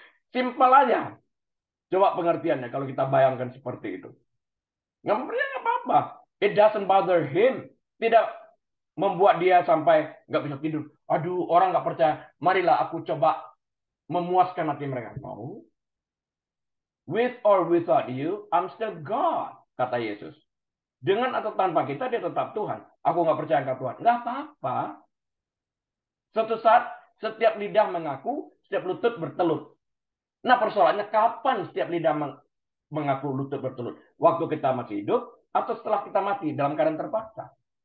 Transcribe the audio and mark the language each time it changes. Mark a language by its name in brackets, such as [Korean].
[Indonesian] Simpel aja. Coba pengertiannya kalau kita bayangkan seperti itu. Nggak percaya nggak apa-apa. [English] It doesn't bother him. [Indonesian] Tidak membuat dia sampai nggak bisa tidur. Aduh, orang nggak percaya. Marilah aku coba memuaskan hati mereka. Mau? [English] With or without you, I'm still God, [Indonesian] kata Yesus. Dengan atau tanpa kita, dia tetap Tuhan. Aku nggak percaya engkau Tuhan. Nggak apa-apa. Suatu saat, setiap lidah mengaku, setiap lutut bertelut. Nah, persoalannya kapan setiap lidah mengaku lutut bertelut? Waktu kita masih hidup atau setelah kita mati dalam keadaan terpaksa?